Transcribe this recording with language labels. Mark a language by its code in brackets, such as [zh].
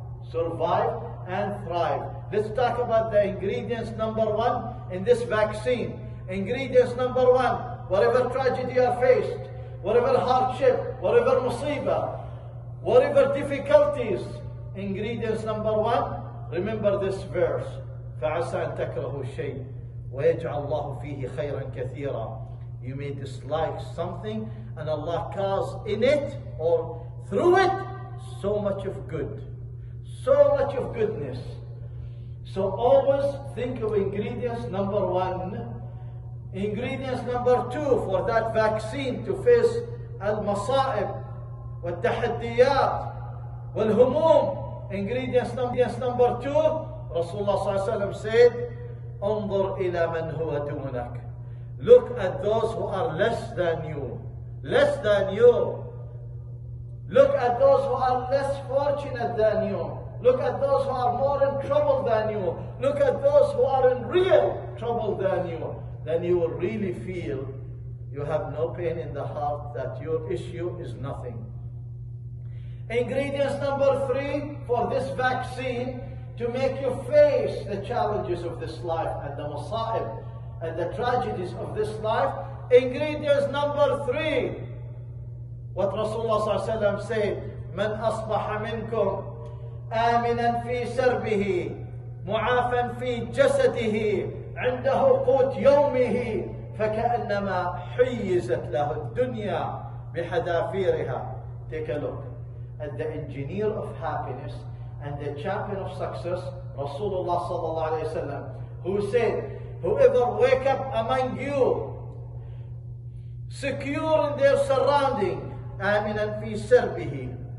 [en] Survive and thrive. Let's talk about the ingredients number one in this vaccine. Ingredients number one, whatever tragedy you faced, whatever hardship, whatever musibah, whatever difficulties, Ingredients number one, remember this verse. [ar] فعسى أن تكرهوا شيء ويجعل الله فيه خيرا كثيرا. [en] You may dislike something and Allah caused in it or through it so much of good, so much of goodness. So always think of ingredients number one. Ingredients number two for that vaccine to face [ar] المصائب والتحديات والهموم. [en] Ingredients number two, Rasulullah صلى الله عليه وسلم said, [ar] انظر إلى من هو دونك. [en] Look at those who are less than you. Less than you. Look at those who are less fortunate than you. Look at those who are more in trouble than you. Look at those who are in real trouble than you. Then you will really feel you have no pain in the heart, that your issue is nothing. Ingredients number three for this vaccine to make you face the challenges of this life and the masaib and the tragedies of this life. Ingredients number three, what Rasulullah [ar] صلى الله عليه وسلم said, من أصبح منكم آمنا في سربه معافا في جسده عنده قوت يومه فكأنما حيزت له الدنيا بحذافيرها. [en] Take a look at the engineer of happiness and the champion of success, Rasulullah sallallahu alayhi wa sallam, who said, whoever wake up among you secure in their surrounding, [ar] aminan fi sirbihi.